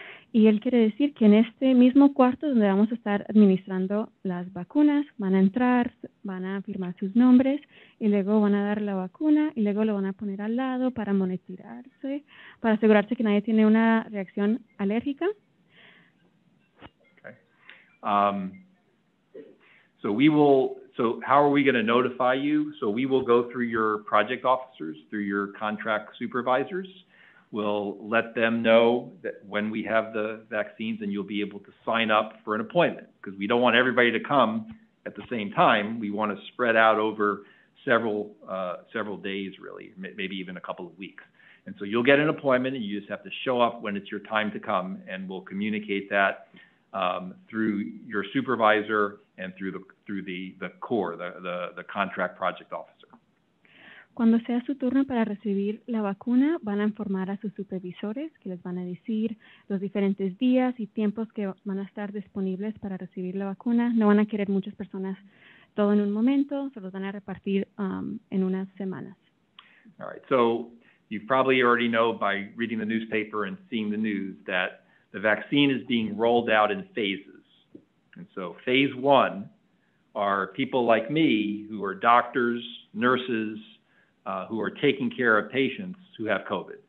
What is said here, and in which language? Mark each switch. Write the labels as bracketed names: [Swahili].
[Spanish] Y él quiere decir que en este mismo cuarto donde vamos a estar administrando las vacunas, van a entrar, van a firmar sus nombres y luego van a dar la vacuna y luego lo van a poner al lado para monitorearse, para asegurarse que nadie tiene una reacción alérgica. [English] Okay. So how are we going to notify you? So we will go through your project officers, through your contract supervisors. We'll let them know that when we have the vaccines and you'll be able to sign up for an appointment because we don't want everybody to come at the same time. We want to spread out over several days, really, maybe even a couple of weeks. And so you'll get an appointment and you just have to show up when it's your time to come. And we'll communicate that through your supervisor and through the core, the contract project officer. [Spanish] Cuando sea su turno para recibir la vacuna, van a informar a sus supervisores que les van a decir los diferentes días y tiempos que van a estar disponibles para recibir la vacuna. No van a querer muchas personas todo en un momento, se los van a repartir en unas semanas. [English] All right, so you probably already know by reading the newspaper and seeing the news that the vaccine is being rolled out in phases. And so phase one are people like me who are doctors, nurses, who are taking care of patients who have COVID.